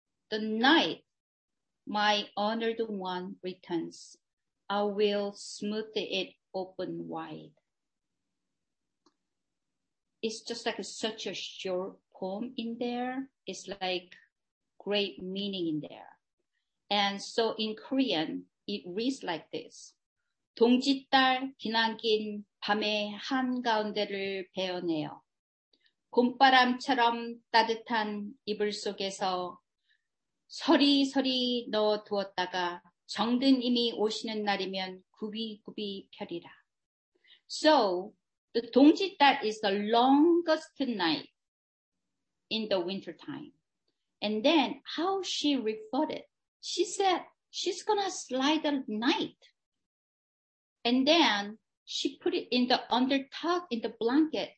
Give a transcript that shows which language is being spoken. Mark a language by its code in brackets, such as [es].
[en] The night my honored one returns, I will smooth it open wide. It's just like such a short poem in there. It's like great meaning in there. And so in Korean, it reads like this. [ko] 동짓달 기나긴 밤의 한가운데를 베어내어 봄바람처럼 따뜻한 이불 속에서 서리서리 넣어두었다가 정든님이 오시는 날이면 굽이굽이 펴리라. [en] So the 동짓달 is the longest night in the winter time. And then how she referred it? She said she's gonna slide the night. And then she put it in the under tuck in the blanket.